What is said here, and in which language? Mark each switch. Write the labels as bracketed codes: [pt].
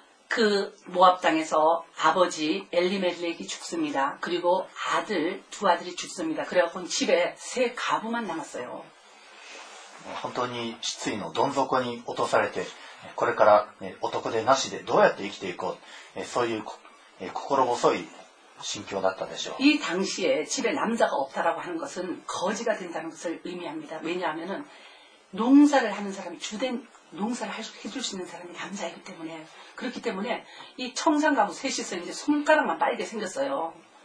[ko] 그 모압 땅에서 아버지 엘리멜렉이 죽습니다. 그리고 아들 두 아들이 죽습니다. 그래갖고 집에 세 가부만 남았어요. [ja] 本当に失意のどん底に落とされて、これから男でなしでどうやって生きていこう、そういう心細い心境だったでしょう。 [ko] 이 당시에 집에 남자가 없다라고 하는 것은 거지가 된다는 것을 의미합니다. 왜냐하면은 농사를 하는 사람이 주된 농사를 해줄 수 있는 사람이 남자이기 때문에, 그렇기 때문에 이 청산가부 셋이서 이제 손가락만 빠르게 생겼어요.